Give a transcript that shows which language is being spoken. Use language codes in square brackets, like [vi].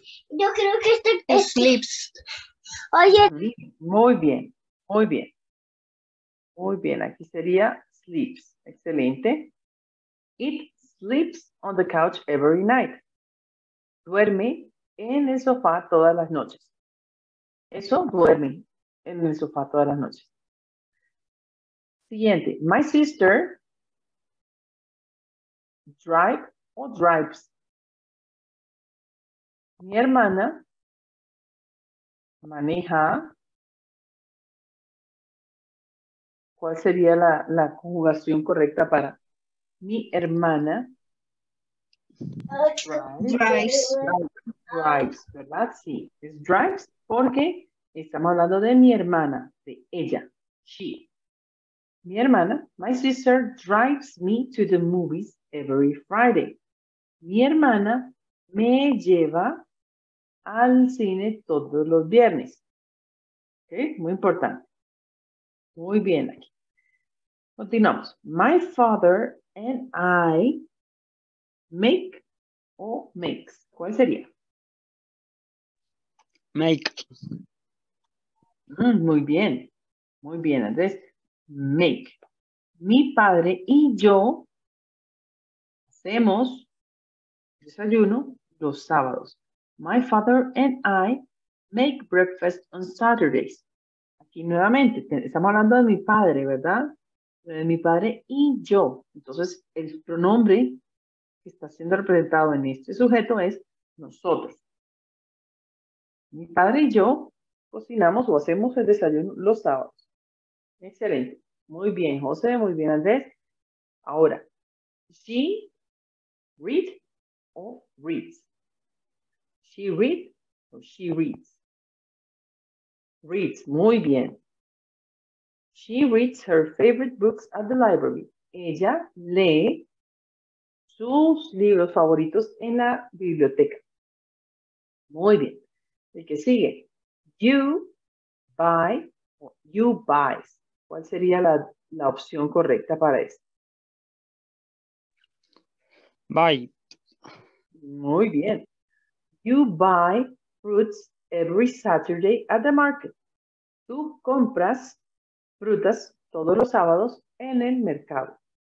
[es] Yo creo que este [en] sleeps. [es] Oye. Muy bien, muy bien. Muy bien, aquí sería sleeps. Excelente. [en] It sleeps on the couch every night. [es] Duerme en el sofá todas las noches. Eso, duerme en el sofá todas las noches. Siguiente. [en] My sister drive or drives. [es] Mi hermana maneja. ¿Cuál sería la conjugación correcta para mi hermana? [en] Drives. Drives, [es] ¿verdad? Sí, es drives porque estamos hablando de mi hermana, de ella. [en] She. [es] Mi hermana, [en] my sister drives me to the movies every Friday. [es] Mi hermana me lleva al cine todos los viernes. ¿Ok? Muy importante. Muy bien aquí. Continuamos. [en] My father and I make o makes. [es] ¿Cuál sería? [en] Make. [es] Muy bien. Muy bien, Andrés. Make. Mi padre y yo hacemos desayuno los sábados. [en] My father and I make breakfast on Saturdays. [es] Aquí nuevamente, estamos hablando de mi padre, ¿verdad? De mi padre y yo. Entonces, el pronombre que está siendo representado en este sujeto es nosotros. Mi padre y yo cocinamos o hacemos el desayuno los sábados. Excelente. Muy bien, José. Muy bien, Andrés. Ahora, [en] she read or reads. She reads o she reads. Reads, [es] muy bien. [en] She reads her favorite books at the library. [es] Ella lee sus libros favoritos en la biblioteca. Muy bien. ¿Y qué sigue? [en] You buy o you buys. [es] ¿Cuál sería la opción correcta para esto? [en] Buy. [es] Muy bien. [en] You buy fruits every Saturday at the market. [es] Tú compras frutas todos los sábados en el mercado.